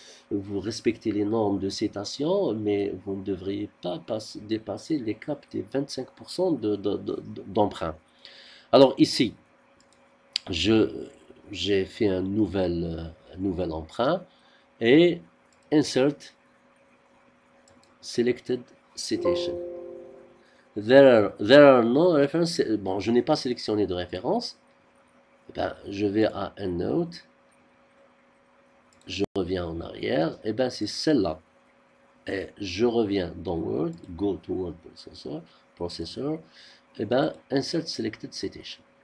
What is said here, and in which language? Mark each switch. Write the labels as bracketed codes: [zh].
[fr] Vous respectez les normes de citation, mais vous ne devriez pas dépasser les caps des 25% d'emprunt. Alors ici, j'ai fait un nouvel emprunt et insert selected citation. [en] There are no references. [fr] Bon, je n'ai pas sélectionné de référence. Ben, je vais à EndNote. Je reviens en arrière, et ben c'est celle-là. Et je reviens dans Word, go to Word processor, et ben insert selected citation.